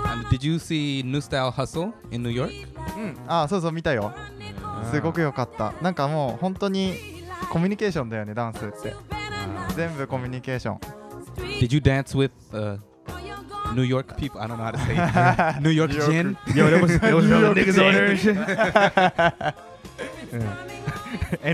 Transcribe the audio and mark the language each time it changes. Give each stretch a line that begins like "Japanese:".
English: Did you see New Style Hustle in New York?
Japanese: うん、ああ、そうそう、見たよ。すごくよかった。なんかもう、本当に、コミュニケーションだよね、ダンスって。全部コミュニケーション。
English: Did you dance with New York people? I don't know how to say it. New York gin? Yo, there was New York niggas on there.